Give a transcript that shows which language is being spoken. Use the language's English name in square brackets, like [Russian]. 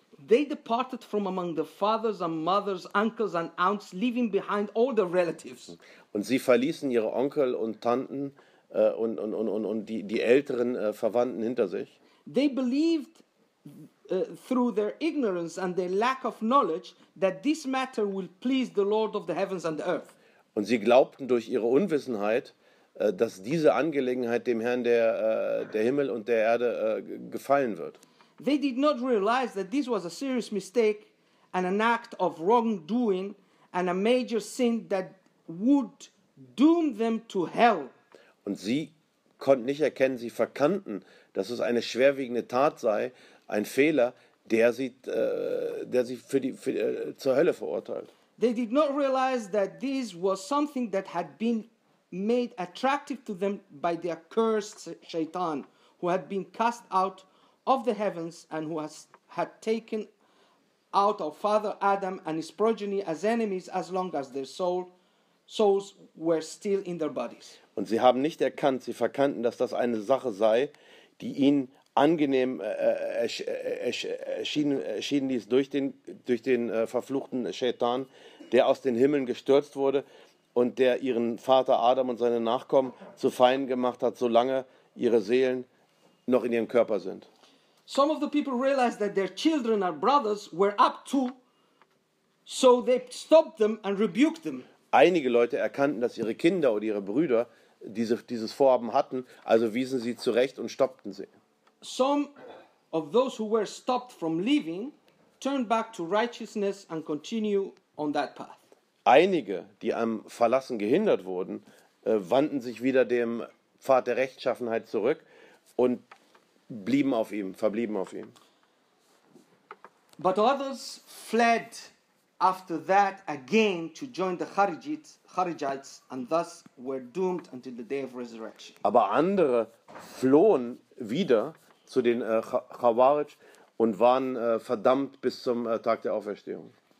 [English] They departed from among the fathers and mothers, uncles and aunts, leaving behind all their relatives. [German] Und sie verließen ihre Onkel und Tanten. Und die älteren Verwandten hinter sich. [English] They believed through their ignorance and their lack of knowledge that this matter will please the Lord of the heavens and the earth. [German] Und sie glaubten durch ihre Unwissenheit, dass diese Angelegenheit dem Herrn der Himmel und der Erde gefallen wird. [English] They did not realize that this was a serious mistake and an act of wrongdoing and a major sin that would doom them to hell. [German] Und sie konnten nicht erkennen, sie verkannten, dass es eine schwerwiegende Tat sei, ein Fehler, der sie zur Hölle verurteilt. [English] They did not realize that this was something that had been made attractive to them by the accursed Shaitan, who had been cast out of the heavens and who had taken out our father Adam and his progeny as enemies as long as their souls were still in their bodies. [German] Und sie haben nicht erkannt, sie verkannten, dass das eine Sache sei, die ihnen angenehm erschien dies durch den verfluchten Shaitan, der aus den Himmeln gestürzt wurde und der ihren Vater Adam und seine Nachkommen zu Feinden gemacht hat, solange ihre Seelen noch in ihrem Körper sind. [English] Some of the people realized that their children and brothers were up to, so they stopped them and rebuked them. [German] Einige Leute erkannten, dass ihre Kinder oder ihre Brüder dieses Vorhaben hatten, also wiesen sie zurecht und stoppten sie. [English] Some of those who were stopped from leaving turned back to righteousness and continue on that path. [German] Einige, die am Verlassen gehindert wurden, wandten sich wieder dem Pfad der Rechtschaffenheit zurück und verblieben auf ihm. [English] But others fled after that again to join the Kharijites and thus were doomed until the day of resurrection. [German] Aber andere flohen wieder zu den Khawarij und waren verdammt bis zum Tag der Auferstehung.